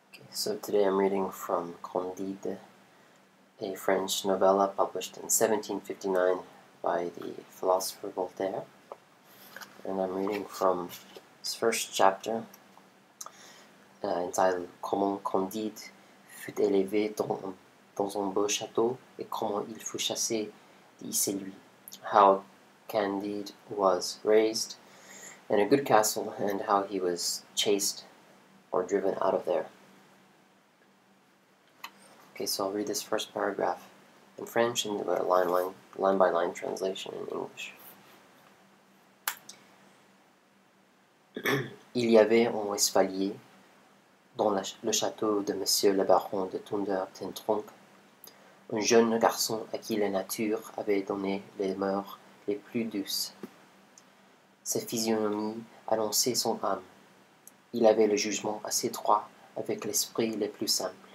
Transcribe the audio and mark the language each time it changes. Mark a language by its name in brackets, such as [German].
[English] So today I'm reading from Candide, a French novella published in 1759 by the philosopher Voltaire. And I'm reading from its first chapter, entitled [French] Comment Candide fut élevé dans un beau château et comment il fut chassé d'ici lui. [English] How Candide was raised in a good castle and how he was chased or driven out of there. Okay, so I'll read this first paragraph in French and do a line-by-line translation in English. [French] Il y avait un espalier dans le château de Monsieur le Baron de Thunder-ten-Tronck, un jeune garçon à qui la nature avait donné les mœurs les plus douces. Sa physionomie annonçait son âme. Il avait le jugement assez droit avec l'esprit le plus simple.